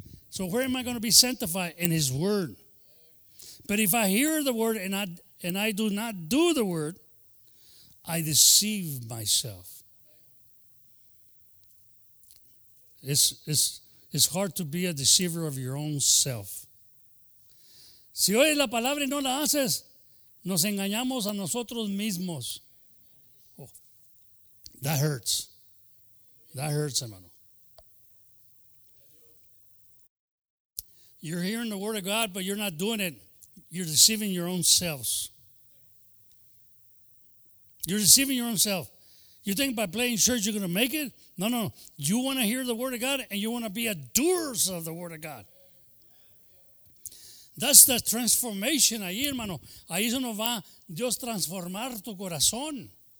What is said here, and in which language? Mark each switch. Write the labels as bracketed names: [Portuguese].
[English] So where am I going to be sanctified? In his word. But if I hear the word and I do not do the word, I deceive myself. It's hard to be a deceiver of your own self. [Spanish] Si oyes la palabra y no la haces, nos engañamos a nosotros mismos. [English] Oh, that hurts. That hurts, hermano. You're hearing the word of God, but you're not doing it. You're deceiving your own selves. You're deceiving your own self. You think by playing church you're going to make it? No. You want to hear the word of God, and you want to be a doer of the word of God. That's the transformation ahí, hermano. [Spanish] Ahí se nos va Dios transformar tu corazón.